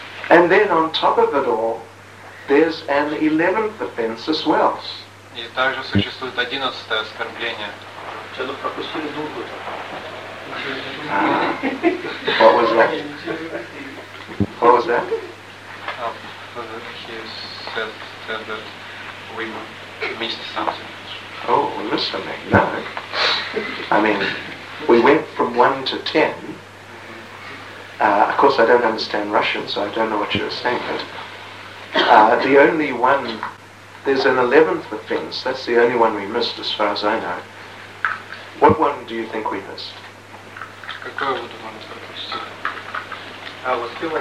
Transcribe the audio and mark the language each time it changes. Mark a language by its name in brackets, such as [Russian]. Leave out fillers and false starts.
[English] And then on top of it all, there's an 11th offense as well. [Russian] И также существует 11-е оскорбление. [English] What was that? He said that we missed something. Oh, we missed something. No. I mean, we went from 1 to 10. Of course, I don't understand Russian, so I don't know what you were saying. But the only one, there's an 11th offense. That's the only one we missed, as far as I know. What one do you think we missed? [Russian] Какое вы думаете, пропустили?